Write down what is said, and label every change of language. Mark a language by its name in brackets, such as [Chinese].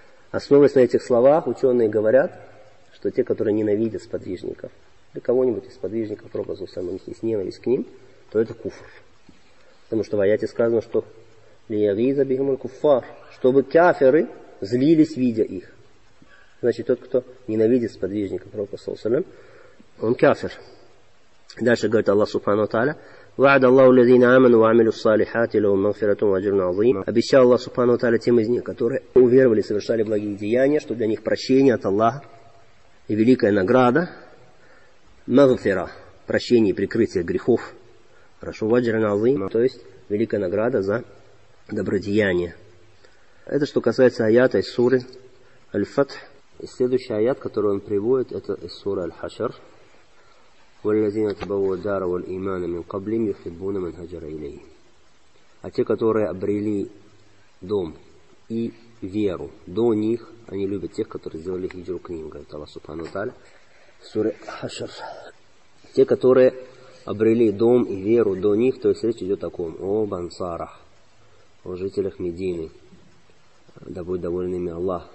[Russian] Основываясь на этих словах, ученые говорят, что те, которые ненавидят сподвижников, или кого-нибудь из сподвижников пропазу сам, у них есть ненависть к ним, то это куфр. Потому что в аяте сказано, что «Лиягиза бихумуль куфар», чтобы кафиры злились, видя их. Значит, тот, кто ненавидит сподвижников пропазу сам, он кафир. Дальше говорит Аллах Субхану Тааля: [Arabic] وعد الله الذين آمنوا وعملوا الصالحات لهم مغفرة وأجر عظيم. [Russian] Обещал Аллах Субхану Тааля тем из них, которые уверовали, совершали благие деяния, что для них прощение от Аллаха и великая награда. Мавфира, прощение и прикрытие грехов. Хорошо, [Arabic] وأجر عظيم, [Russian] то есть великая награда за добродеяние. Это что касается аята из суры Аль-Фатх. И следующий аят, который он приводит, это из суры Аль-Хашр. [Arabic] والذين تبووا الدار والإيمان من قبلهم يحبون من هجر إليهم. [Russian] А те, которые обрели дом и веру до них, они любят тех, которые сделали хиджру к ним, говорит Аллах Субхану Тааля. Сура Хашр. Те, которые обрели дом и веру до них, то есть речь идет о ком? О бансарах, о жителях Медины. Да будет доволен ими Аллах.